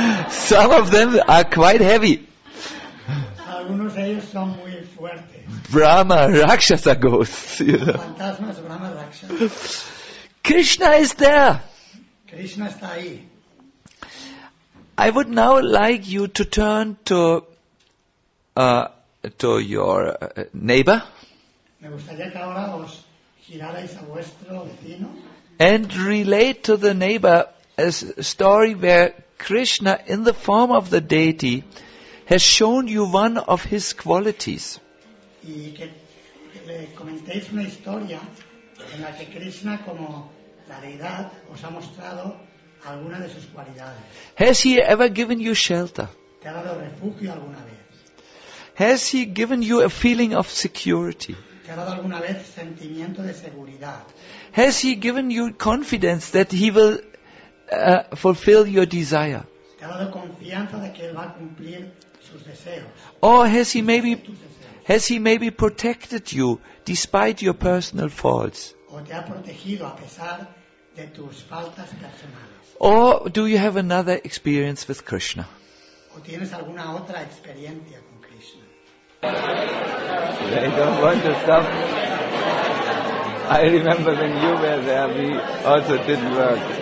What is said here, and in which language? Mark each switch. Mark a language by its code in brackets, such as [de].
[en] Some of them are quite heavy. [es] Algunos de ellos son muy fuertes. [en] Brahma Rakshasa ghosts. You know. [es] Fantasmas Brahma Rakshasa. [en] Krishna is there. [es] Krishna está ahí. [en] I would now like you to turn to your neighbor. [es] Me gustaría que ahora os girarais a vuestro vecino. [en] And relate to the neighbor a story where Krishna, in the form of the deity, has shown you one of his qualities. [es] Y que le comentéis una historia en la que Krishna como la deidad os ha mostrado alguna de sus cualidades. [en] Has he ever given you shelter? [es] ¿Te ha dado refugio alguna vez? [en] Has he given you a feeling of security? [es] ¿Te ha dado alguna vez sentimiento de seguridad? [en] Has he given you confidence that he will fulfill your desire? [es] ¿Te ha dado confianza de que él va a cumplir sus deseos? [en] Or has he maybe protected you despite your personal faults? [es] ¿O te ha protegido a pesar de tus faltas personales? [en] Or do you have another experience with Krishna? [es] ¿O tienes alguna otra experiencia con Krishna? [en] They don't want to stop. I remember when you were there, we also didn't work.